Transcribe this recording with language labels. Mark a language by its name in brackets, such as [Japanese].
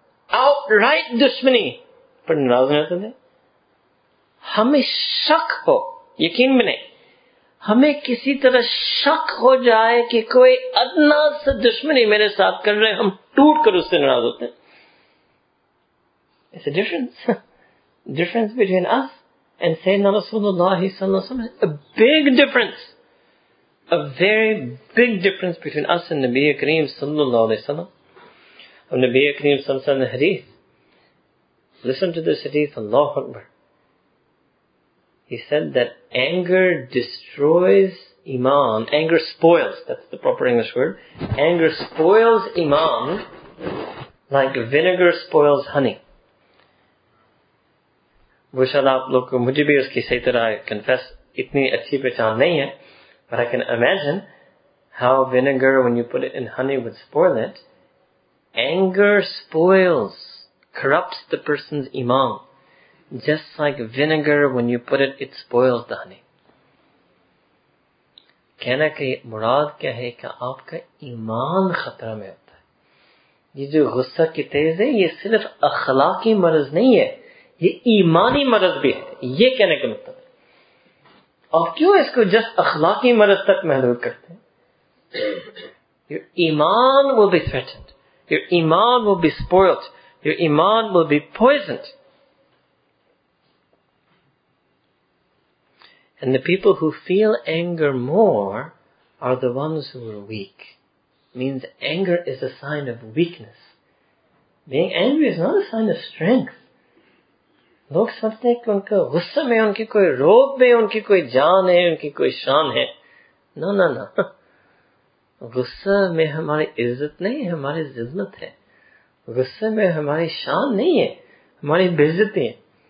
[Urdu] Outright دشمنی پر ناراض نہیں ہوتے تھے. ہمیں شک ہو, یقین بنے, ہمیں کسی طرح شک ہو جائے کہ کوئی ادنا سا دشمنی میرے ساتھ کر رہے ہیں, ہم ٹوٹ کر اس سے ناراض ہوتے ہیں. [English] It's a difference between us and Sayyidina Rasulullah sallallahu alaihi wasallam. A very big difference between us and Nabi Kareem sallallahu alaihi wasallam. Of Nabi Kareem sallallahu alaihi wasallam hadith, listen to this hadith, Allahu Akbar. He said that anger destroys iman, anger spoils, that's the proper English word, anger spoils iman like vinegar spoils honey. [Urdu] وہ شاید آپ لوگ کو, مجھے بھی اس کی صحیح طرح کنفیس اتنی اچھی پہچان نہیں ہے, [English] but I can imagine how vinegar, when you put it in honey, would spoil it. Anger spoils, corrupts the person's iman, just like vinegar, when you put it spoils the honey. [Urdu] کہنا کہ مراد کیا ہے کہ آپ کا ایمان خطرہ میں ہوتا ہے. یہ جو غصہ کی تیز ہے یہ صرف اخلاقی مرض نہیں ہے, یہ ایمانی مرض بھی ہے. یہ کہنے کا مطلب ہے. اور کیوں اس کو جس اخلاقی مرض تک محدود کرتے ہیں؟ [English] Your ایمان will be threatened, your ایمان will be spoiled, your ایمان will be poisoned. And the people who feel anger more are the ones who are weak. Means anger is a sign of weakness. Being angry is not a sign of strength. [Urdu] لوگ سمجھتے ہیں کہ ان کا غصہ میں, ان کی کوئی روب میں, ان کی کوئی جان ہے, ان کی کوئی شان ہے. نہ نہ نہ, غصہ میں ہماری عزت نہیں ہے, ہماری عزت ہے. غصہ میں ہماری شان نہیں ہے, ہماری عزتیں ہیں.